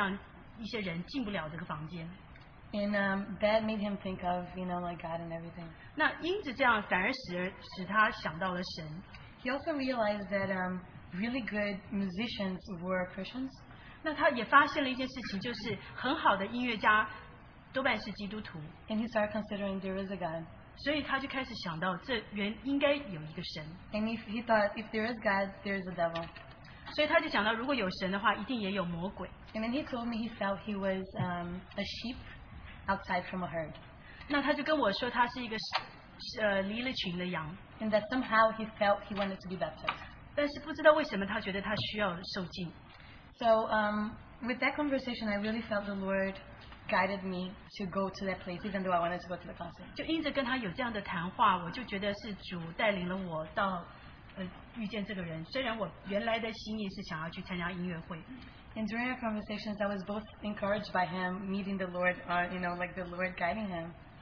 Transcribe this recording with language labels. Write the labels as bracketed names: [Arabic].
[Chinese] 然后呢，别人就会做一些障碍，让一些人进不了这个房间。 [English] And that made him think of, you know, like God and everything. [Chinese] 那因此这样反而使他想到了神。 [English] He also realized that really good musicians were Christians. [Chinese] 那他也发现了一件事情，就是很好的音乐家多半是基督徒。 [English] And he started considering there is a God. [Chinese] 所以他就开始想到这原应该有一个神。 [English] And he thought if there is God, there is a devil. [Chinese] 所以他就想到如果有神的话，一定也有魔鬼。 [English] And then he told me he felt he was a sheep outside from a herd. [Chinese] 那他就跟我说他是一个离了群的羊。 [English] And that somehow he felt he wanted to be baptized. [Chinese] 但是不知道为什么他觉得他需要受浸。 [English] So with that conversation, I really felt the Lord guided me to go to that place, even though I wanted to go to the classroom. [Chinese] 就因着跟他有这样的谈话，我就觉得是主带领了我到。 [English] And during our conversations, I was both encouraged by him meeting the Lord, you know, like the Lord guiding him.